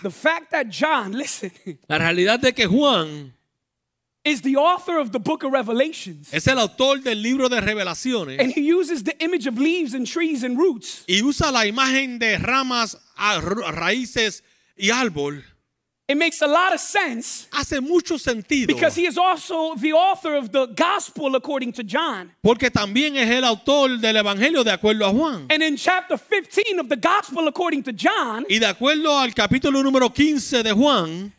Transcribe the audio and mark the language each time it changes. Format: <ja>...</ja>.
<en>The fact that John, listen.</en> <es>La realidad de que Juan</es> <en>is the author of the book of Revelations.</en> <es>Es el autor del libro de Revelaciones.</es> <en>And he uses the image of leaves and trees and roots.</en> <es>Y usa la imagen de ramas, raíces y árbol.</es> <en>It makes a lot of sense.</en> <es>Hace mucho sentido.</es> <en>Because he is also the author of the gospel according to John.</en> <es>Porque también es el autor del evangelio de acuerdo a Juan.</es> <en>And in chapter 15 of the gospel according to John.</en> <es>Y de acuerdo al capítulo número 15 de Juan.</es>